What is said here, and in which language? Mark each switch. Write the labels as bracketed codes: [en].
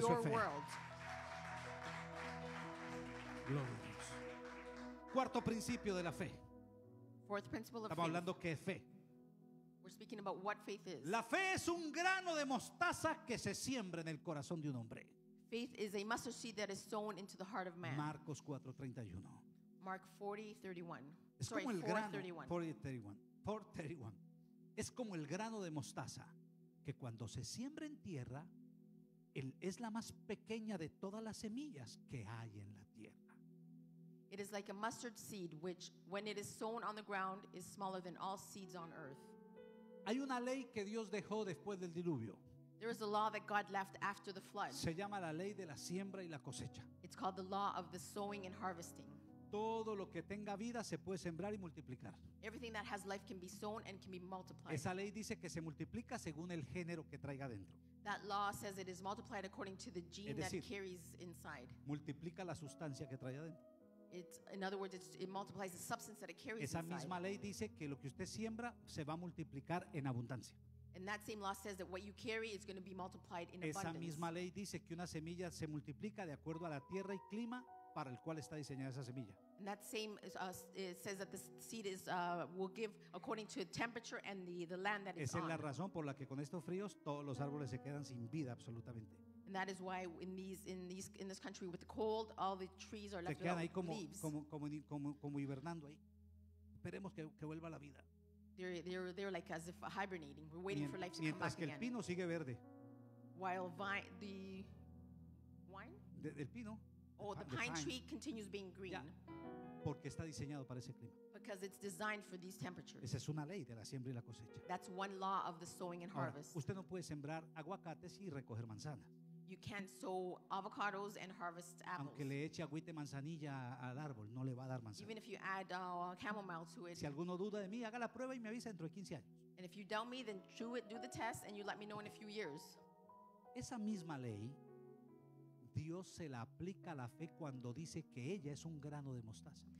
[es] Dale fuerte el aplauso al Señor, es fe. Gloria a Dios. Cuarto principio de la fe. [en] Fourth principle of faith. [es] Estamos hablando que es fe. [en] We're speaking about what faith is. [es] La fe es un grano de mostaza que se siembra en el corazón de un hombre. [en] Faith is a mustard seed that is sown into the heart of man. [es] Marcos 4:31. [en] Mark 40:31. Sorry, 4:31. [es] Es como el grano de mostaza que cuando se siembra en tierra es la más pequeña de todas las semillas que hay en la tierra. [en] It is like a mustard seed which when it is sown on the ground is smaller than all seeds on earth. [es] Hay una ley que Dios dejó después del diluvio. [en] There is a law that God left after the flood. [es] Se llama la ley de la siembra y la cosecha. [en] It's called the law of the sowing and harvesting. [es] Todo lo que tenga vida se puede sembrar y multiplicar. [en] Everything that has life can be sown and can be multiplied. [es] Esa ley dice que se multiplica según el género que traiga dentro. [en] That law says it is multiplied according to the gene [es] decir, [en] that carries inside. [es] Multiplica la sustancia que trae adentro. [en] It's, in other words, it multiplies the substance that it carries [es] esa [en] inside. [es] Esa misma ley dice que lo que usted siembra se va a multiplicar en abundancia. [en] And that same law says that what you carry is going to be multiplied in abundance. [es] Esa misma ley dice que una semilla se multiplica de acuerdo a la tierra y clima para el cual está diseñada esa semilla. [en] And that same says that the seed is will give according to temperature and the land that it's on. [es] Esa es la razón por la que con estos fríos todos los árboles se quedan sin vida absolutamente. [en] And that is why in this country with the cold, all the trees are left without leaves. [es] Como hibernando ahí. Esperemos que vuelva la vida. [en] They're like as if hibernating. We're waiting for life to [es] mientras [en] come back [es] que el [en] again. [es] Pino sigue verde. [en] While the wine? [es] Del pino. [en] The pine tree continues being green. Yeah. [es] Porque está diseñado para ese clima. [en] Because it's designed for these temperatures. [es] Esa es una ley de la siembra y la cosecha. [en] That's one law of the sowing and harvest. [es] Ahora, usted no puede sembrar aguacates y recoger manzanas. [en] You can't sow avocados and harvest apples. [es] Aunque le eche agüite manzanilla al árbol, no le va a dar manzana. [en] Even if you add chamomile to it. [es] Si alguno duda de mí, haga la prueba y me avisa dentro de 15 años. [en] And if you doubt me, then do the test and you let me know in a few years. [es] Esa misma ley, Dios se la aplica a la fe cuando dice que ella es un grano de mostaza.